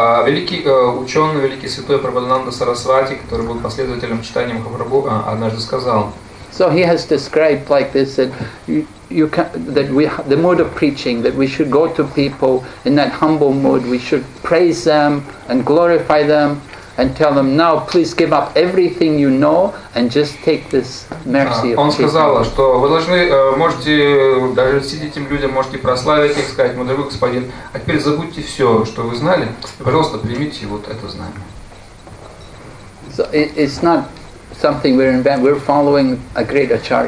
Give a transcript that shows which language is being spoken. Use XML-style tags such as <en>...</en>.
<ru>Великий святой Прабхананда Сарасвати, который был последователем читания Махапрабху, однажды сказал.</ru> <en>So he has described like this that you can, that we the mode of preaching that we should go to people in that humble mode, we should praise them and glorify them and tell them now please give up everything you know and just take this mercy.</en> <ru>Он сказал, что вы должны можете даже сидеть этим людям, можете прославить их, сказать, мой дорогой господин, а теперь забудьте все, что вы знали, пожалуйста, примите вот это знание.</ru> <en>So it's not something we're inventing. We're following a great acharya.</en>